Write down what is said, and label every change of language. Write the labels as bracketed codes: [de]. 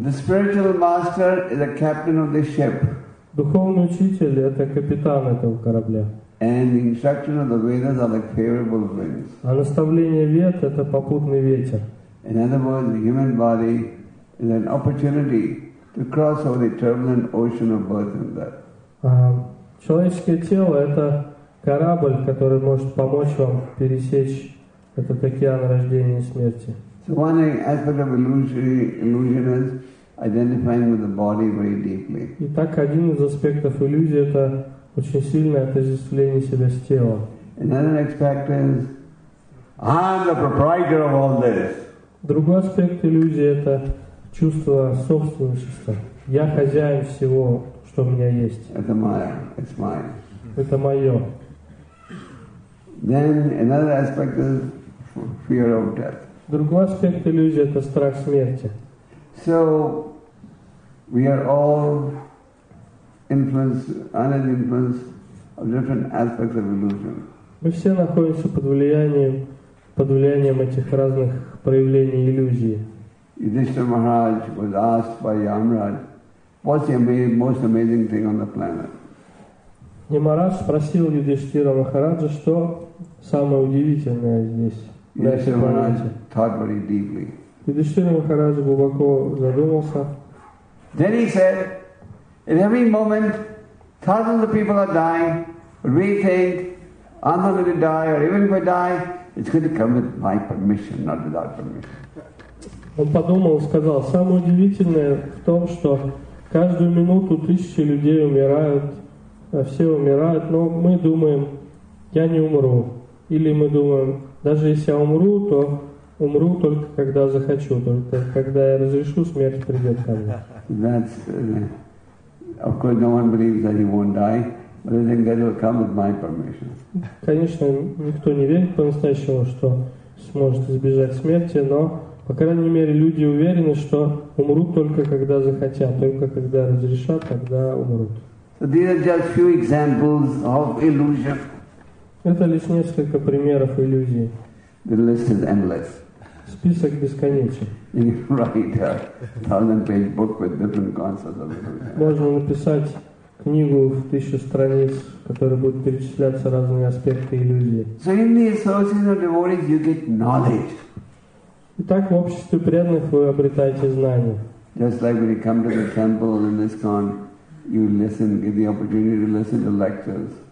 [en] The spiritual master is the captain of the ship. [ru] Духовный учитель это капитан этого корабля. [en] And the instruction of the Vedas are like favorable winds. [ru] А наставление Вед это попутный ветер. [en] In other words, the human body is an opportunity to cross over the turbulent ocean of birth and death. [ru] Человеческое тело это корабль, который может помочь вам пересечь этот океан рождения и смерти. [en] So one aspect of illusion is identifying with the body very deeply. [ru] Итак, один из аспектов иллюзии это очень сильное отождествление себя с телом. [en] Another aspect is I'm the proprietor of all this. [ru] Другой аспект иллюзии это чувство собственничества. Я хозяин всего, что у меня есть. Это мое. [en] It's mine. [ru] Это мое. [en] Then another aspect is fear of death. [ru] Другой аспект иллюзии это страх смерти. [en] So we are all influenced of different aspects of illusion. [ru] Мы все находимся под влиянием этих разных проявлений иллюзии. [en] Yudhishthira Maharaj was asked by Yamaraj, "What's the most amazing thing on the planet?" [ru] Yamaraj спросил Юдиштира Махараджа, что самое удивительное здесь. [en] Yudhishthira Maharaj thought very deeply. [ru] Yudhishthira Maharaj глубоко задумался. [en] Then he said, "In every moment, thousands of people are dying. We think, 'I'm not going to die,' or even if I die, it's going to come with my permission, not without permission." [ru] Он подумал и сказал: "Самое удивительное в том, что каждую минуту тысячи людей умирают, все умирают, но мы думаем, я не умру, или мы думаем." Даже если я умру, то умру только когда захочу, только когда я разрешу, смерть придет ко мне. [en] That's, of course, no one believes that he won't die, but they think that he will come with my permission. [ru] Конечно, никто не верит по-настоящему, что сможет избежать смерти, но, по крайней мере, люди уверены, что умрут только когда захотят, только когда разрешат, тогда умрут. [en] So these are just few examples of illusion. [ru] Это лишь несколько примеров иллюзии. [en] The list is endless. [ru] Список бесконечен. [en] You can write a 1,000-page book with different concepts of illusion. [ru] Можно написать книгу в 1,000 страниц, в которой будут перечисляться разные аспекты иллюзии. [en] So in the association of devotees, you get knowledge. [ru] Итак, в обществе преданных вы обретаете знания. [en] Just like when you come to the temple in ISKCON, you listen, get the opportunity to listen to lectures.